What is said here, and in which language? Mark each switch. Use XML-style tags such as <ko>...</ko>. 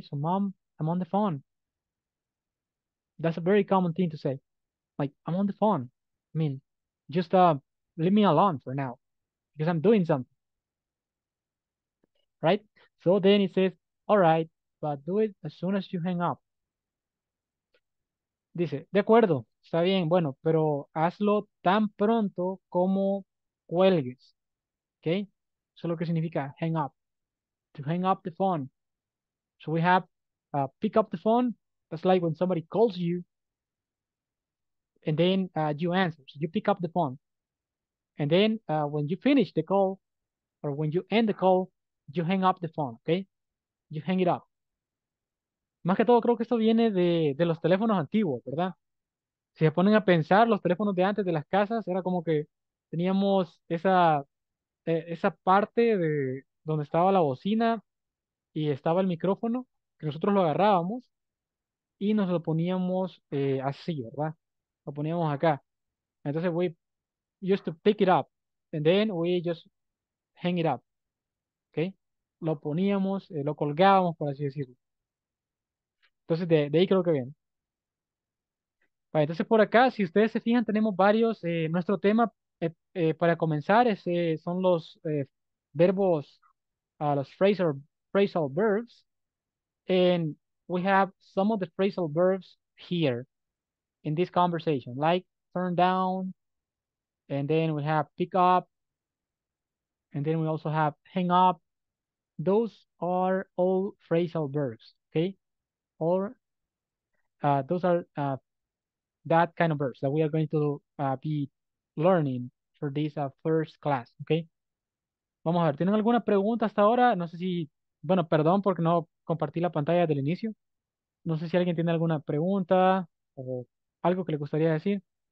<en>So mom, I'm on the phone. That's a very common thing to say, like, I'm on the phone. I mean, just, leave me alone for now, because I'm doing something, right? So then it says, all right, but do it as soon as you hang up.</en> <es>Dice, de acuerdo, está bien, bueno, pero hazlo tan pronto como cuelgues, okay? Eso es lo que significa</es> <en>hang up, to hang up the phone. So we have pick up the phone. That's like when somebody calls you, and then you answer, so you pick up the phone. And then when you finish the call, or when you end the call, you hang up the phone, okay? You hang it up.</en> <es>Más que todo, creo que esto viene de los teléfonos antiguos, ¿verdad? Si se ponen a pensar, los teléfonos de antes de las casas, era como que teníamos esa parte de donde estaba la bocina y estaba el micrófono, ¿ok? que nosotros lo agarrábamos y nos lo poníamos así, ¿verdad? Lo poníamos acá.</es> <en>Entonces, we used to pick it up and then we just hang it up.</en> <es>¿Ok? Lo poníamos, lo colgábamos, por así decirlo. Entonces, de ahí creo que viene. Vale, entonces, por acá, si ustedes se fijan, tenemos varios. Nuestro tema para comenzar son los verbos, los phrasal verbs.</es> <en>And we have some of the phrasal verbs here in this conversation, like turn down, and then we have pick up, and then we also have hang up. Those are all phrasal verbs, okay? Or those are that kind of verbs that we are going to be learning for this first class, okay?</en> <es>Vamos a ver, ¿tienen alguna pregunta hasta ahora? No sé si, bueno, perdón porque no compartí la pantalla del inicio. No sé si alguien tiene alguna pregunta o algo que le gustaría decir.</es>